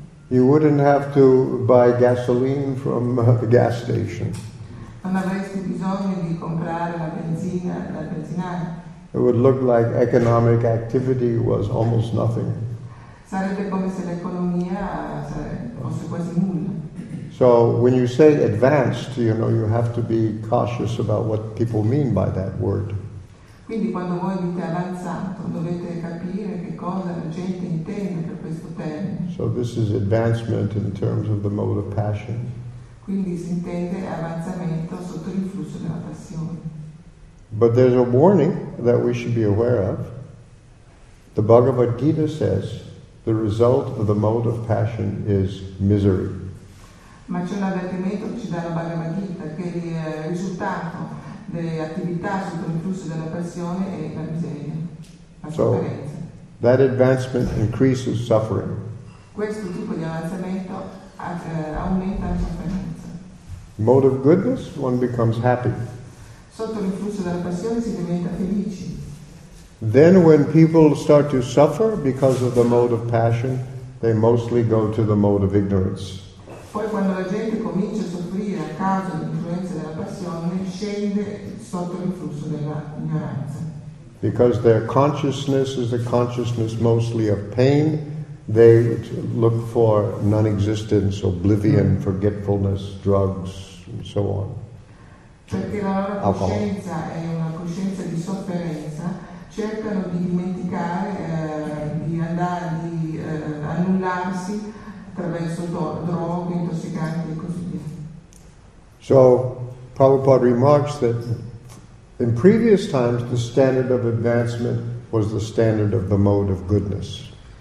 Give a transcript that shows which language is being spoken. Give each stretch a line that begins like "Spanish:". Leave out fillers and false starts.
English: You wouldn't have to buy gasoline from the gas station.
Italian: Non avresti bisogno di comprare la benzina dal benzinaio.
English: It would look like economic activity was almost nothing.
Italian: Sarebbe come se l'economia fosse quasi nulla.
English: So when you say advanced, you know, you have to be cautious about what people mean by that word.
Italian: Quindi quando voi dite avanzato, dovete capire che cosa la gente intende per questo termine.
English: So this is advancement in terms of the mode of passion.
Italian: Quindi si intende avanzamento sotto l'influsso della passione.
English: But there's a warning that we should be aware of. The Bhagavad Gita says the result of the mode of passion is misery.
Italian: Ma c'è un avvertimento che ci dà la Bhagavad Gita che il risultato delle attività sotto l'influsso della passione è la miseria, la sofferenza.
English: That advancement increases suffering.
Italian: Questo tipo di avanzamento aumenta la sofferenza.
English: Mode of goodness, one becomes happy.
Italian: Sotto l'influsso della passione si diventa felici.
English: Then when people start to suffer because of the mode of passion, they mostly go to the mode of ignorance.
Italian: Poi quando la gente comincia a soffrire a causa dell'influenza della passione, scende sotto l'influsso dell'ignoranza.
English: Because their consciousness is a consciousness mostly of pain, they look for non-existence, oblivion, forgetfulness, drugs, and so on.
Italian: Perché la loro coscienza è una coscienza di sofferenza, cercano di dimenticare, di annullarsi attraverso droghe, intossicanti e così via.
English: So, Prabhupada remarks that in previous times the standard of advancement was the standard of the mode of goodness.